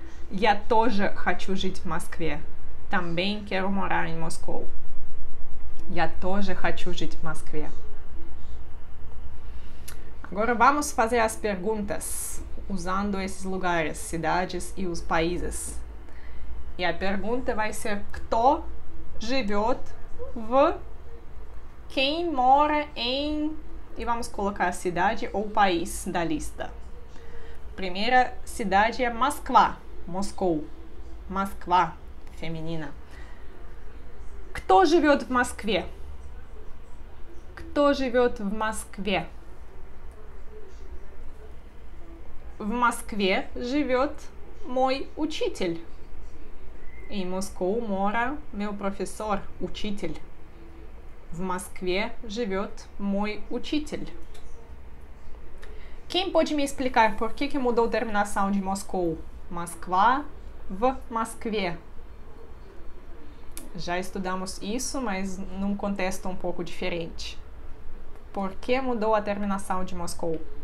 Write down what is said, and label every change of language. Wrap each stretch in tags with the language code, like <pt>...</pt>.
<ru>Я тоже хочу жить в Москве.</ru> <pt>Também quero morar em Moscou.</pt> <ru>Я тоже хочу жить в Москве.</ru> <pt>Agora vamos fazer as perguntas usando esses lugares, cidades e os países. E a pergunta vai ser:</pt> <ru>Кто живет в?</ru> <pt>Quem mora em? E vamos colocar a cidade ou país da lista. Primeira cidade é Moskva, Moscou. Moskva, feminina.</pt> <ru>Кто живет в Москве? Кто живет в Москве? В Москве живет мой учитель.</ru> <pt>Em Moscou mora meu professor, учитель.</pt> <ru>В Москве живет мой учитель.</ru> <pt>Quem pode me explicar por que que mudou a terminação de Moscou?</pt> <ru>Москва в Москве.</ru> <pt>Já estudamos isso, mas num contexto um pouco diferente. Por que mudou a terminação de Moscou?</pt>